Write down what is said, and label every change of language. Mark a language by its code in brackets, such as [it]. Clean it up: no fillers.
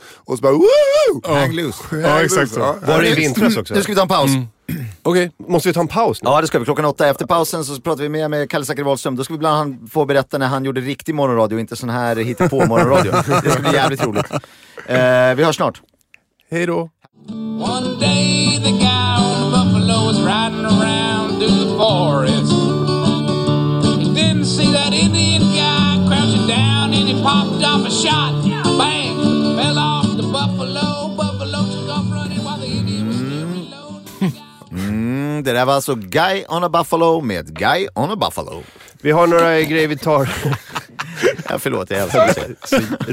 [sv] Och så bara, woho! [en] Hang loose. [sv] Ja, exakt. Ja. Var det i vintras också? Nu ska vi ta en paus. Okej. Okay. Måste vi ta en paus nu? Ja, det ska vi. Klockan 8. Efter pausen så pratar vi mer med Kalle Zackari Wahlström. Då ska vi bland annat få berätta när han gjorde riktig morgonradio, inte sån här hittepå morgonradio. Det ska bli jävligt roligt. Vi hörs snart. Hej då. [en] One day the guy on the buffalo was riding around through the forest. He didn't see that Indian guy crouching down and he popped off a shot. Bang! Fell off the buffalo. Buffalo took off running while the Indian was still reloading. [sv] Det där var alltså Guy on a Buffalo med Guy on a Buffalo. Vi har några grejer vi tar. Ja, förlåt, jag älskar det.